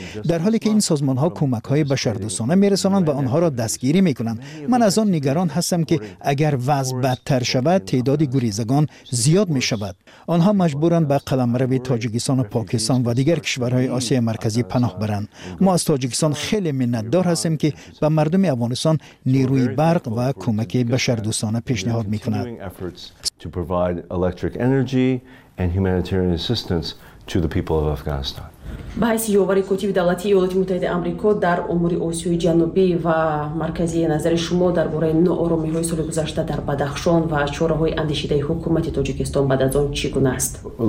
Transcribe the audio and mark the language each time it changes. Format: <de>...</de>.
<fa>در حالی که این سازمان‌ها کمک‌های بشردوستانه می‌رسانند و آنها را دستگیری می‌کنند، من از آن نگران هستم که اگر وضع بدتر شود تعداد گریزگان زیاد می‌شود. آنها مجبورند به قلمرو تاجیکستان و پاکستان و دیگر کشورهای آسیای مرکزی پناه برند. ما از تاجیکستان خیلی منتدار هستیم که به مردم افغانستان نیروی برق و کمک بشردوستانه پیشنهاد می‌کند.</fa> <en>To provide electric energy and humanitarian assistance to the people of Afghanistan.</en> <fa>به حیث یووری کتیب دولتی ایالات متحده آمریکا در امور آسیای جنوبی و مرکزی، نظر شما درباره نارامی های سال گذشته در بدخشان و چاره های اندیشیده حکومت تاجیکستان بعد از آن چگونه است؟</fa>